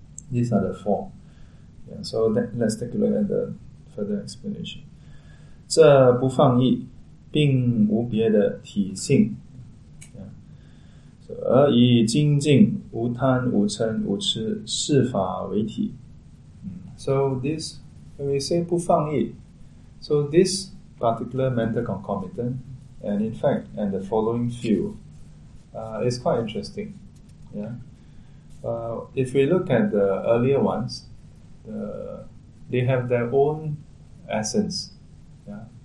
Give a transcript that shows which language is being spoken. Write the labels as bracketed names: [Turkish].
[English] These are the four. Yeah, so let's take a look at the further explanation. [Chinese] 这不放逸, 并无别的体性, so, 而以精进, 无贪, 无嗔, 无痴, 视法为体. [English] So this, when we say 不放逸, so this particular mental concomitant, and in fact, and the following few, is quite interesting. Yeah. If we look at the earlier ones, they have their own essence. Yeah.